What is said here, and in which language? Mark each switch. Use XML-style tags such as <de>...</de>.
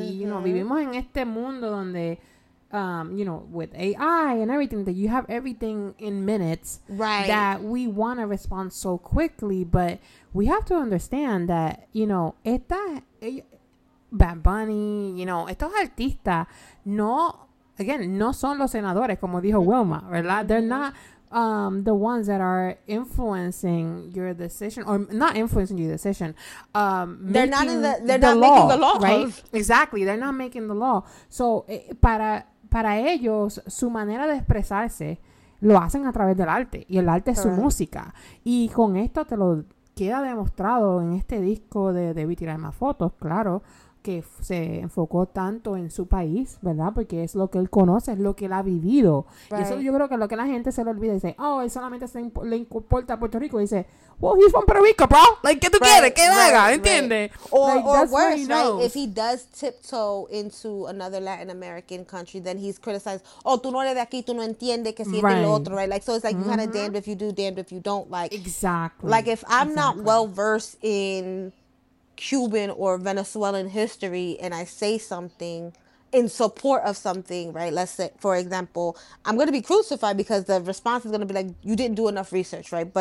<en>Y, you know,</en> <es>vivimos en este mundo donde,</es> <en>you know, with AI and everything, that you have everything in minutes. Right. That we want a response so quickly, but we have to understand that, you know, Bad Bunny, you know,</en> <es>estos artistas no. Again, no son los senadores, como dijo Wilma, ¿verdad?</es> <en>They're not the ones that are influencing your decision, or not influencing your decision. They're not in the. They're the not law, making the law, right? Exactly, they're not making the law.</en> <es>So para ellos, su manera de expresarse lo hacen a través del arte, y el arte es su música. Y con esto te lo queda demostrado en este disco de Debí Tirar Más Fotos, claro. Que se enfocó tanto en su país, ¿verdad? Porque es lo que él conoce, es lo que él ha vivido. Right. Y eso yo creo que es lo que la gente se le olvida. Dice, oh, él solamente le importa a Puerto Rico. Y dice,</es> <en>well, he's from Puerto Rico, bro.</en> <es>Like, ¿qué tú quieres? ¿Qué haga? ¿Entiendes?</es> <en>Or worse, if he does tiptoe into another Latin American country, then he's criticized.</en> <es>Oh, tú no eres de aquí, tú no entiendes que si es del otro, right?</es> <en>Like, so it's like, you kind of damned if you do, damned if you don't. Like, exactly. Like, if I'm not well-versed in Cuban or Venezuelan history, and I say something in support of something, right? Let's say, for example, I'm going to be crucified because the response is going to be like, you didn't do enough research, right?</en>